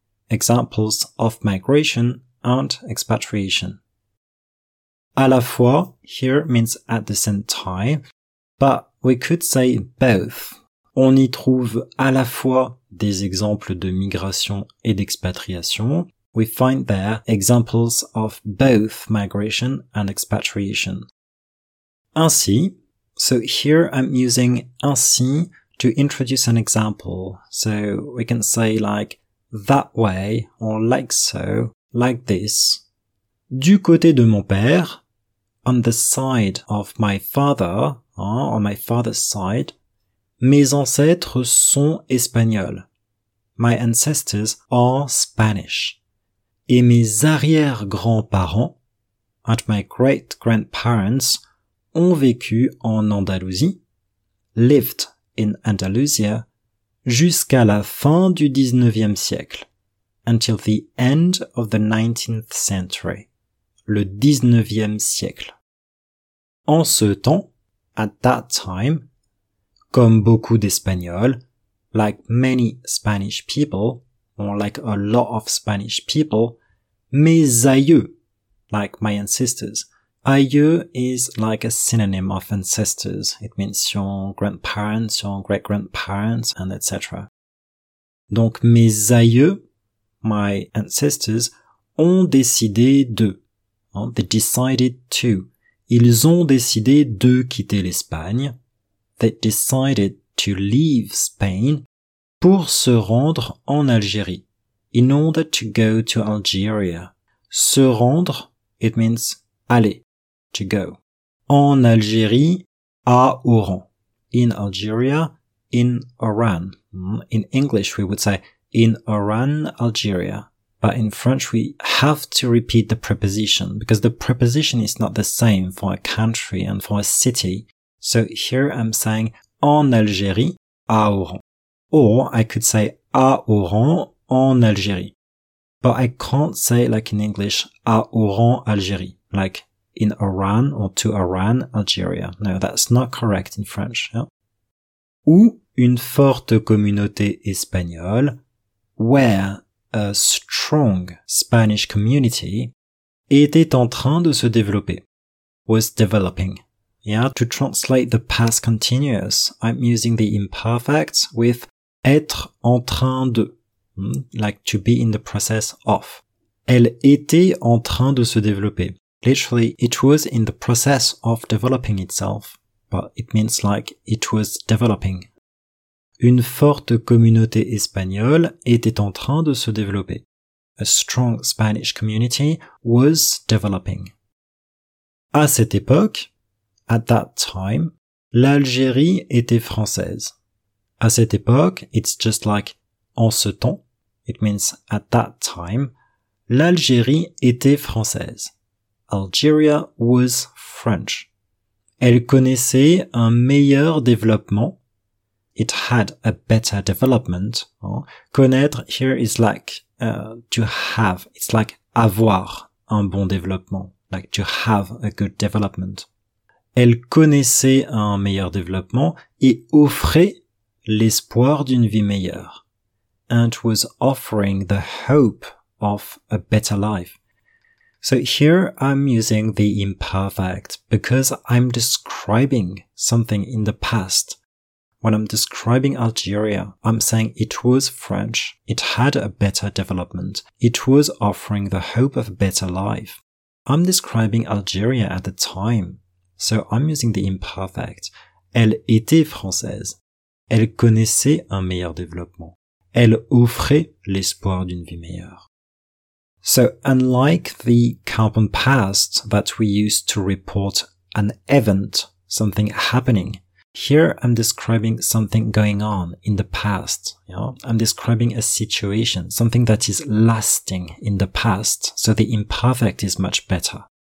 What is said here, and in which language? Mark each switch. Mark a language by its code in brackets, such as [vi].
[en] Examples of migration and expatriation. À la fois, here means at the same time, but we could say both. [fr] On y trouve à la fois des exemples de migration et d'expatriation. [en] We find there examples of both migration and expatriation. Ainsi, so here I'm using ainsi to introduce an example. So we can say like that way or like so, like this. [fr] Du côté de mon père, [en] on the side of my father, on my father's side, [fr] mes ancêtres sont espagnols. [en] My ancestors are Spanish. [fr] Et mes arrière-grands-parents, [en] and my great-grandparents, [fr] ont vécu en Andalousie, [en] lived in Andalusia, [fr] jusqu'à la fin du 19e siècle, [en] until the end of the 19th century, [fr] le 19e siècle. En ce temps, [en] at that time, [fr] comme beaucoup d'Espagnols, [en] like many Spanish people, or like a lot of Spanish people, [fr] mes aïeux, [en] like my ancestors. Aïeux is like a synonym of ancestors. It means your grandparents, your great-grandparents, and etc. [fr] Donc mes aïeux, [en] my ancestors, [fr] ont décidé de. [en] They decided to. [fr] Ils ont décidé de quitter l'Espagne. [en] They decided to leave Spain [fr] pour se rendre en Algérie. [en] In order to go to Algeria. Se rendre, it means aller, to go. [fr] En Algérie, à Oran. [en] In Algeria, in Oran. In English, we would say in Oran, Algeria. But in French, we have to repeat the preposition because the preposition is not the same for a country and for a city. So here I'm saying [fr] en Algérie, à Oran. [en] Or I could say [fr] à Oran, en Algérie. [en] But I can't say like in English, [fr] à Oran, Algérie. [en] Like in Oran or to Oran, Algeria. No, that's not correct in French. Yeah? [fr] Ou une forte communauté espagnole, [en] where a strong Spanish community [fr] était en train de se développer. [en] Was developing. Yeah, to translate the past continuous, I'm using the imperfect with [fr] être en train de. [en] Like to be in the process of. [fr] Elle était en train de se développer. [en] Literally, it was in the process of developing itself. But it means like it was developing. [fr] Une forte communauté espagnole était en train de se développer. [en] A strong Spanish community was developing. [fr] À cette époque, [en] at that time, [fr] l'Algérie était française. À cette époque, [en] it's just like [fr] en ce temps. [en] It means at that time, [fr] l'Algérie était française. [en] Algeria was French. [fr] Elle connaissait un meilleur développement. [en] It had a better development. Connaître here is like to have. It's like [fr] avoir un bon développement. [en] Like to have a good development. [fr] Elle connaissait un meilleur développement et offrait l'espoir d'une vie meilleure. [en] And was offering the hope of a better life. So here I'm using the imperfect because I'm describing something in the past. When I'm describing Algeria, I'm saying it was French, it had a better development, it was offering the hope of a better life. I'm describing Algeria at the time. So I'm using the imperfect. [fr] Elle était française. Elle connaissait un meilleur développement. Elle offrait l'espoir d'une vie meilleure. [en] So, unlike the compound past that we use to report an event, something happening, here I'm describing something going on in the past. You know? I'm describing a situation, something that is lasting in the past, so the imperfect is much better.